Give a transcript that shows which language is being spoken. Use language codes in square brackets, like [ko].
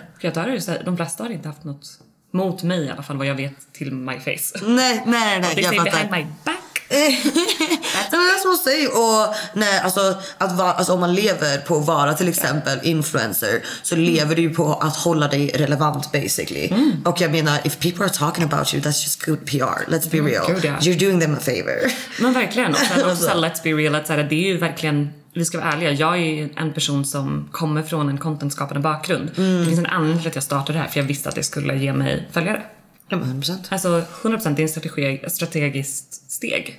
[sv] kreatörer, så här, de flesta har inte haft något mot mig i alla fall, vad jag vet, till [en] my face. [sv] Nej, jag fattar. [en] Behind my back. [sv] Men det är som att säga, och nej, alltså, att va, alltså om man lever på att vara till exempel influencer, så lever du på att hålla dig relevant basically. Mm. Och jag menar, [en] if people are talking about you, that's just good PR. Let's be real. God, yeah. You're doing them a favor. [sv] Men verkligen, och sen också, [en] let's be real, [sv] att det är ju verkligen, vi ska vara ärliga, jag är en person som kommer från en contentskapande bakgrund. Mm. Det finns en anledning till att jag startade det här, för jag visste att det skulle ge mig följare. Ja, 100%. Alltså 100%, det är en strategiskt steg,